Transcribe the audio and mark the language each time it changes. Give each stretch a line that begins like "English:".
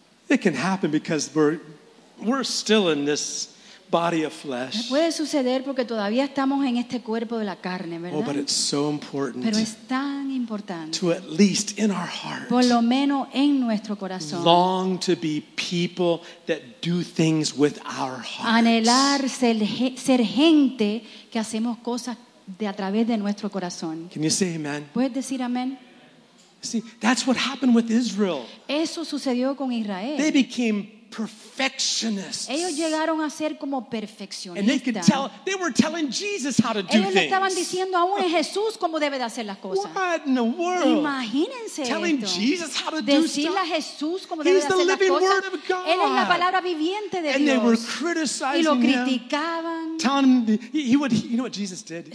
English: It can happen because we're still in this body of flesh.
Spanish: Puede suceder porque todavía estamos en este cuerpo de la carne, ¿verdad?
English: Oh, but it's so important.
Spanish: Pero es tan importante.
English: To at least in our heart.
Spanish: Por lo menos en nuestro corazón.
English: Long to be people that do things with our hearts.
Spanish: Anhelar ser gente que hacemos cosas a través de nuestro corazón.
English: Can you say amen?
Spanish: ¿Puedes decir amén?
English: See, that's what happened with Israel.
Spanish: Eso sucedió con Israel.
English: They became perfectionists.
Spanish: Ellos llegaron a ser como perfeccionistas.
English: And they could tell, they were telling Jesus how to do things.
Spanish: Ellos estaban diciendo aún a Jesús cómo debe de hacer las cosas.
English: What in the world?
Spanish: Imagínense esto.
English: Telling Jesus how to do stuff.
Spanish: Decirle a Jesús cómo debe de hacer las cosas.
English: He's the living word of God.
Spanish: Él es la palabra viviente de Dios.
English: And they were criticizing him.
Spanish: Y lo criticaban.
English: Telling him he would, you know what Jesus did?